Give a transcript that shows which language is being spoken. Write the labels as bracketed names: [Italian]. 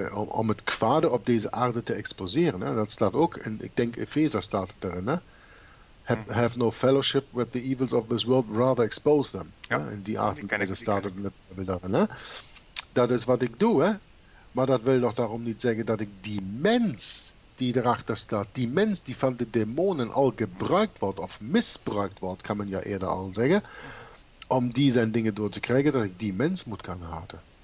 [Dutch] Om het kwade op deze aarde te exposeren. Hè? Dat staat ook, en ik denk Efeza staat het erin. Hè? [English] Have no fellowship with the evils of this world, rather expose them. [Dutch] Ja. In die aarde staat het erin. Dat is wat ik doe. Hè? Maar dat wil toch daarom niet zeggen dat ik die mens die erachter staat, die mens die van de demonen al gebruikt wordt, of misbruikt wordt, kan men ja eerder al zeggen, om die zijn dingen door te krijgen, dat ik die mens moet gaan haten.